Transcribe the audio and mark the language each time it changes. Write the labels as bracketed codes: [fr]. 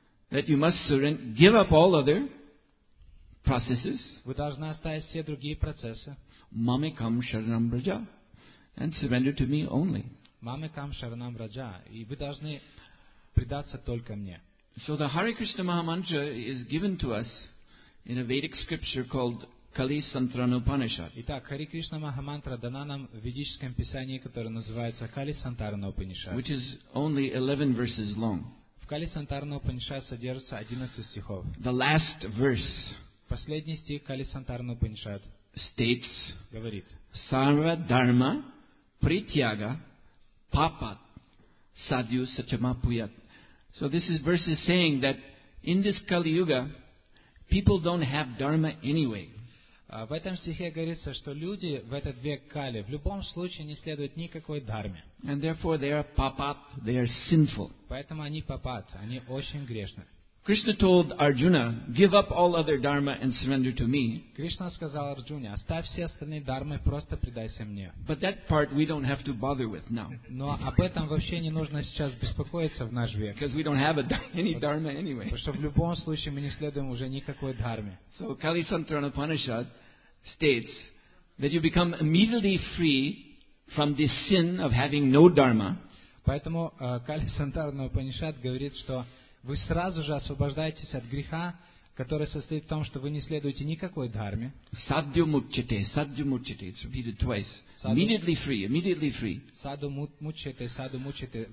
[en] That you must surrender, give up all other processes. [ru] Вы должны оставить все другие процессы. [sa] Mamekam sharanam braja. [en] And surrender to me only. [sa] Mamekam sharanam braja. [ru] И вы должны предаться только мне. [en] So the Hare Krishna Mahamantra is given to us in a Vedic scripture called Kali Santrana Upanishad. [ru] Итак, Хари Кришна Махамантра дана нам в ведическом писании, которое называется Кали Сантарана Упанишад. [en] Which is only 11 verses long. [ru] В Кали Сантарана Упанишад содержится 11 стихов. [en] The last verse. [ru] Последний стих Кали Сантарана Упанишад. [en] States. [ru] Говорит. [sa] Сарва дарма притяга папат садью сачамапуят. [en] So this is verses saying that in this Kali Yuga, people don't have dharma anyway. [ru] В этом стихе говорится, что люди в этот век Кали в любом случае не следуют никакой дхарме. [en] And therefore they are papat, they are sinful. [ru] Поэтому они папат, они очень грешны. [en] Krishna told Arjuna, give up all other dharma and surrender to me. [ru] Кришна сказал Арджуне, оставь все остальные дхармы, просто предайся мне. [en] But that part we don't have to bother with now. [ru] Но об этом вообще не нужно сейчас беспокоиться в наш век. [en] Because we don't have any dharma anyway. [ru] Потому что в любом случае мы не следуем уже никакой дхарме. [en] So Kali Santrana Upanishad states that you become immediately free from the sin of having no dharma. [ru] Поэтому Кали Сантарана Упанишад говорит, что вы сразу же освобождаетесь от греха, который состоит в том, что вы не следуете никакой дхарме. [sa] Саддю мучете, саддю мучете. [en] It's repeated twice. Immediately free, immediately free. [sa] Саду мучете.